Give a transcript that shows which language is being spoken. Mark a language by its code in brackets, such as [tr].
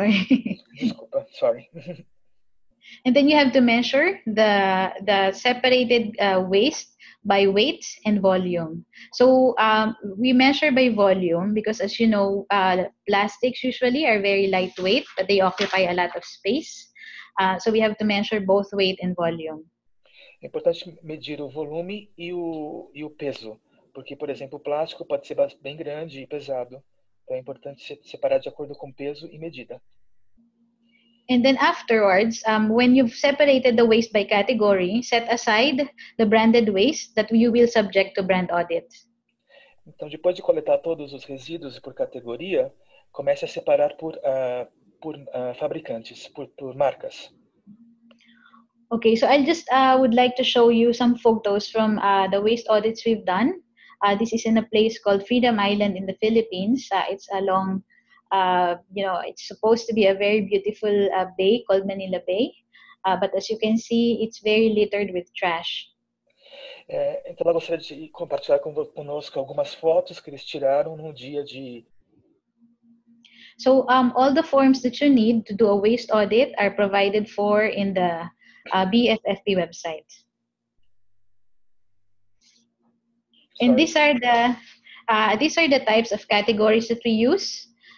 [en] And then you have to measure the separated waste by weight and volume. So we measure by volume because, as you know, plastics usually are very lightweight, but they occupy a lot of space. So we have to measure both weight and volume. [pt] É importante medir o volume e o peso, porque, por exemplo, o plástico pode ser bem grande e pesado. Então, é importante separar de acordo com peso e medida. [en] And then afterwards, when you've separated the waste by category, set aside the branded waste that you will subject to brand audit. [pt] Então, depois de coletar todos os resíduos por categoria, comece a separar por fabricantes, por marcas. [en] Okay, so I just would like to show you some photos from the waste audits we've done. This is in a place called Freedom Island in the Philippines. It's along, you know, it's supposed to be a very beautiful bay called Manila Bay. But as you can see, it's very littered with trash. [pt] Então, eu gostaria de compartilhar conosco algumas fotos que eles tiraram num dia de... [en] So, all the forms that you need to do a waste audit are provided for in the BFFP website. Sorry. And these are the types of categories that we use.